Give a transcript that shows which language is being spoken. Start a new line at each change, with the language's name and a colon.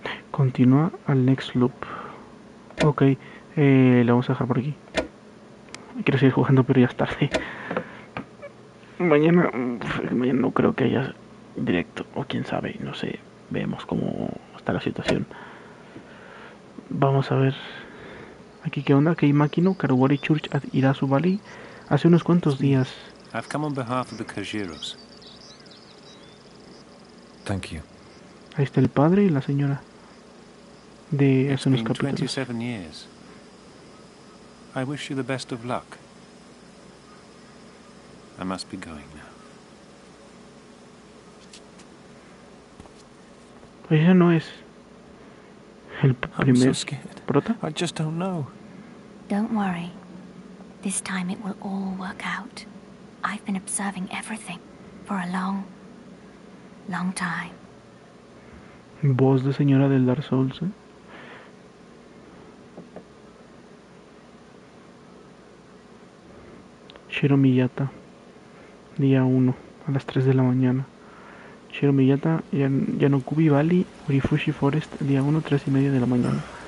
Spanish: Continúa al
English: next loop.
Spanish: Ok, la vamos a dejar por aquí. Quiero seguir jugando, pero ya es tarde. Mañana, mañana no creo que haya directo, o quién sabe, no sé. Vemos cómo está la situación. Vamos a ver. Aquí, ¿qué onda? ¿Qué máquina?
English: Karuwari Church at Irasu Valley.
Spanish: Hace unos cuantos días.
English: I've come on behalf of the Kajiros. Thank you.
Spanish: Ahí está el padre y la señora. De hace unos capítulos.
English: 27 years. I wish you the best of luck. I must be going now.
Spanish: Pues ella no es el primer
English: I'm so scared.
Spanish: Prota.
English: I just don't know. Don't worry. This time it will all work out. I've been observing everything for a long, long time.
Spanish: Voz de señora del Dark Souls, ¿eh? Shiro Miyata, día 1, a las 3 de la mañana. Shiro Miyata, Yanokubi Valley, Urifushi Forest, día 1, 3 y media de la mañana.